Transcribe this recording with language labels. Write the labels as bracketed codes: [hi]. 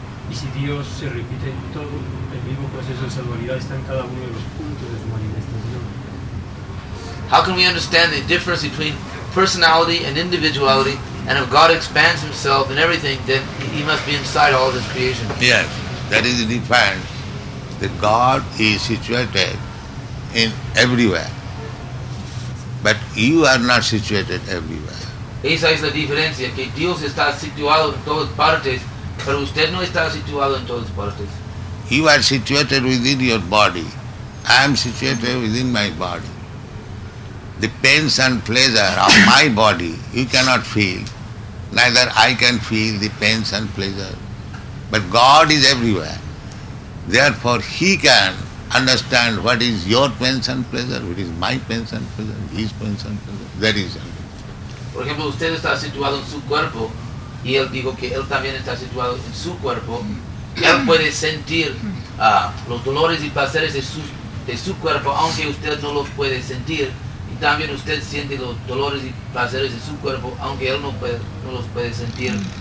[es] Y si Dios se repite en todo, el mismo proceso de salvación está en cada uno de los puntos de su manifestación. [en] How can we understand the difference between personality and individuality? And if God expands Himself in everything, then He must be inside all this creation. Yes, that is defined that God is situated in everywhere, but you are not situated everywhere. [es] Esa es la diferencia, que Dios está situado en todas partes, pero usted no está situado en todas partes. [en] You are situated within your body. I am situated within my body. The pains and pleasure of my body, you cannot feel. Neither I can feel the pains and pleasure. But God is everywhere. Therefore, He can understand what is your pains and pleasure, what is my pains and pleasure, His pains and pleasure. That is everything. [es] Por ejemplo, usted está situado en su cuerpo, y él dijo que él también está situado en su cuerpo. Él puede sentir los dolores y placeres de su cuerpo, aunque usted no los puede sentir. También usted siente los dolores y placeres de su cuerpo, aunque él no los puede sentir.